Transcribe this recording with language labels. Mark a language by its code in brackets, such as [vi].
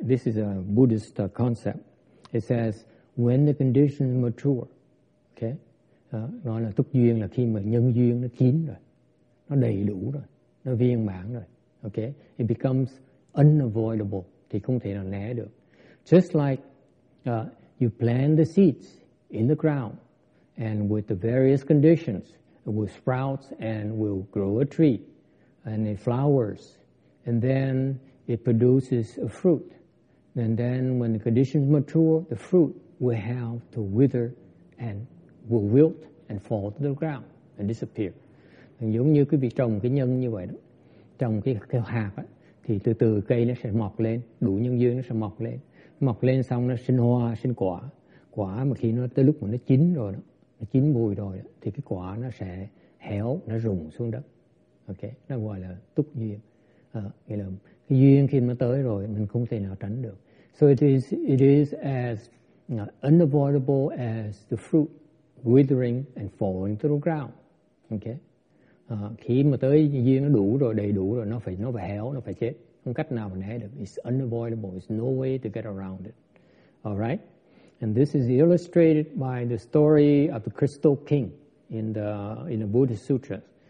[en] This is a Buddhist concept. It says when the condition is mature. Okay? [vi] Nói là túc duyên là khi mà nhân duyên nó chín rồi. Nó đầy đủ rồi, nó viên mãn rồi. Okay? [en] It becomes unavoidable, [vi] thì không thể nào né được. [en] Just like you plant the seeds in the ground and with the various conditions it will sprout and will grow a tree, and it flowers, and then it produces a fruit. And then when the conditions mature, the fruit will have to wither and will wilt and fall to the ground and disappear. [vi] Giống như quý vị trồng cái nhân như vậy đó, trồng cái hạt á, thì từ từ cây nó sẽ mọc lên, đủ nhân duyên nó sẽ mọc lên. Mọc lên xong nó sinh hoa, sinh quả. Quả mà khi nó tới lúc mà nó chín rồi đó, chín mùi rồi thì cái quả nó sẽ héo, nó rụng xuống đất. Okay, nó gọi là túc duyên. Nghĩa là cái duyên khi nó tới rồi mình không thể nào tránh được. [en] So it is as unavoidable as the fruit withering and falling to the ground. [vi] Okay, khi mà tới duyên nó đủ rồi, đầy đủ rồi, nó phải héo, nó phải chết, không cách nào mà né được. [en] It's unavoidable. It's no way to get around it. All right. And this is illustrated by the story of the Crystal King in the Buddhist Sutras.